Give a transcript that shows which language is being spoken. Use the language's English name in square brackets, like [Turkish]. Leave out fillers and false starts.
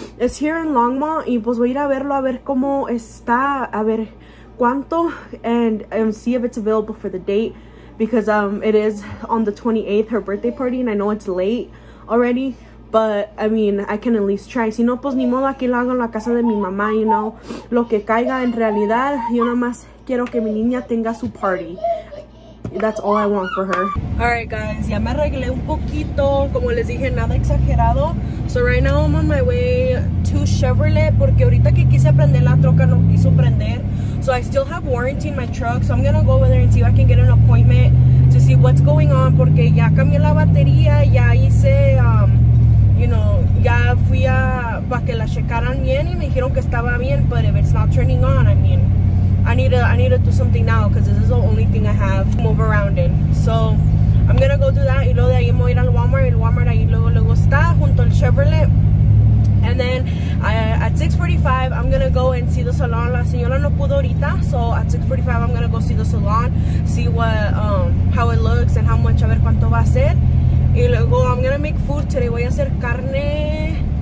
[Spanish] It's here in Longmont. Y pues voy a ir a verlo, a ver cómo está, a ver cuánto, and see if it's available for the date. [English] Because it is on the 28th, her birthday party, and I know it's late already, but I mean, I can at least try. Si no, pues ni modo, aquí lo hago en la casa de mi mamá, you know. [Spanish] Lo que caiga en realidad, yo nomás quiero que mi niña tenga su party. [English] That's all I want for her. Alright guys, ya me arreglé un poquito. [Spanish] Como les dije, nada exagerado. So right now I'm on my way to Chevrolet porque ahorita que quise prender la troca no quiso prender. [English] So I still have warranty in my truck, so I'm gonna go over there and see if I can get an appointment to see what's going on porque ya cambié la batería, ya hice, you know, ya fui a pa que la checaran bien y me dijeron que estaba bien, but if it's not turning on, I mean, I need to do something now because this is the only thing I have to move around in. So I'm gonna go do that. [Spanish] Y luego de ahí me voy a ir al Walmart. El Walmart ahí luego está junto al Chevrolet. [English] And then at 6:45, I'm gonna go and see the salon. La señora no pudo ahorita, so at 6:45, I'm gonna go see the salon, see what how it looks and how much, a ver cuánto va a ser. [Spanish] Y luego I'm gonna make food today. Voy a hacer carne.